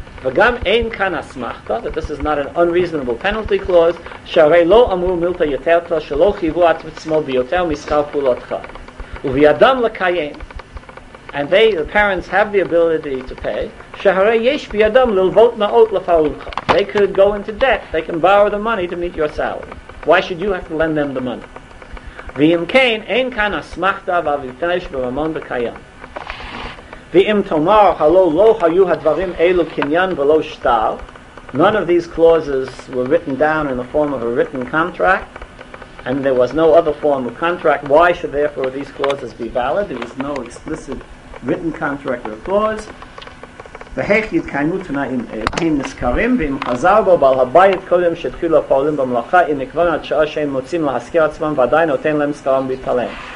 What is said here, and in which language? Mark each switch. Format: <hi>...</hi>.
<he>וגם אין כאן אסמכתא,</he> <en>that this is not an unreasonable penalty clause,</en> <he>שהרי לא אמרו מילתא יתרתא, שלא חייבו את עצמו ביותר משכר פעולתך. ובידם לקיים,</he> <en>and they, the parents, have the ability to pay,</en> <he>שהרי יש בידם ללוות מאות לפעולך.</he> <en>They could go into debt, they can borrow the money to meet your salary. Why should you have to lend them the money?</en> <he>ואם כן, אין כאן אסמכתא ואביפנש ורמון בקיים. ואם תאמר, הלא לא היו הדברים אלו קניין ולא שטר,</he> <en>none of these clauses were written down in the form of a written contract, and there was no other form of contract, why should therefore these clauses be valid? There was no explicit written contract or clause.</en> <he>והיך יתקיימו תנאים נזכרים, ואם חזר בו בעל הבית קודם שהתחילו הפועלים במלאכה, אם נקבון עד שעה שהם מוצאים להזכיר עצמם ועדיין נותן להם שכרם בהתעלם.</he>